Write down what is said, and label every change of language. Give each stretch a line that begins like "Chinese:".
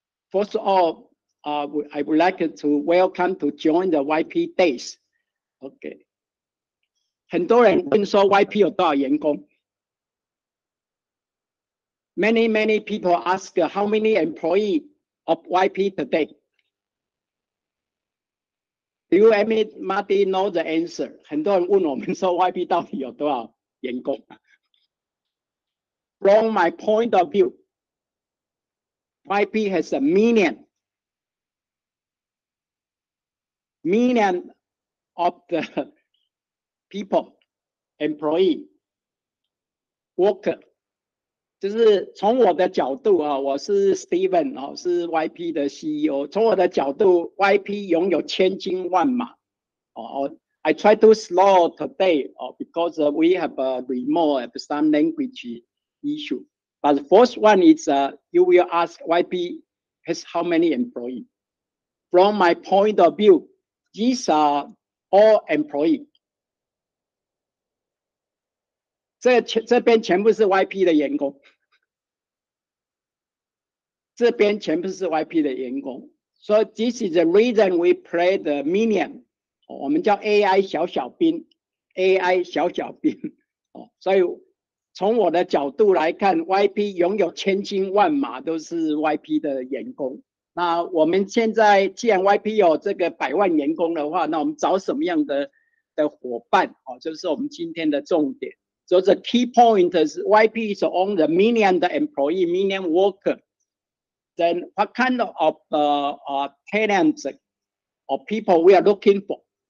English: First of all, I would like to welcome to join the YP Days. Okay.
Chinese: 很多人问说 YP 有多少员工。
English: Many, many people ask how many employees of YP today. Do you admit, Marty, know the answer?
Chinese: 很多人问我们说 YP 到底有多少员工。
English: From my point of view,YP has a million of the people, employee, worker.
Chinese: 就是从我的角度啊，我是 Steven 啊，是 YP 的 CEO. 从我的角度 ,YP 拥有千军万马。
English: I try to slow today, because we have a remote, have some language issue. But the first one is, you will ask YP has how many employees. From my point of view, these are all employees.
Chinese: 这边全部是 YP 的员工。这边全部是 YP 的员工。
English: So this is the reason we play the minion.
Chinese: 我们叫 AI 小小兵。AI 小小兵。所以从我的角度来看 ,YP 拥有千军万马都是 YP 的员工。那我们现在既然 YP 有这个百万员工的话，那我们找什么样 的伙伴、哦、就是我们今天的重点。
English: So the key point is YP is on the million employee, million worker. Then what kind of talents or people we are looking for?